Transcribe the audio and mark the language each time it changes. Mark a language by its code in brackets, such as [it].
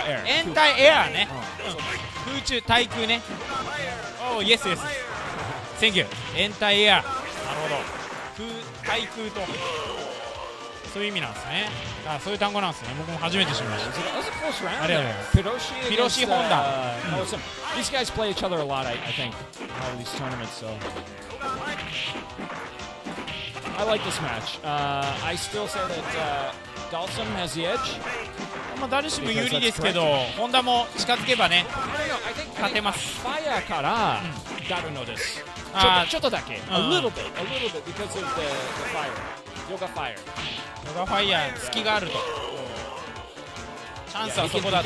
[ja] エンタイエアね、空中対空ね。おー、イエスイエス、センキュー、エンタイエア。なるほど、対空と、そういう意味なんですね。あ、そういう単語なんですね。僕も初めて知りました。 [en] That's a close round. [ja] ありがとうございます。ピロシホンダ、 [en] These guys play each other a lot, I think, in all these tournaments, so I like this match. I still say that Dalsum has the edge. [ja] まあ、ダルシム有利ですけど、ホンダも近づけばね、勝てます。ファイヤーからダルノです。ちょっとだけ。 [en] A little bit. A little bit because of the fire. Yoga fire. Yoga fire. [ja] 隙があると。チャンスはそこだと。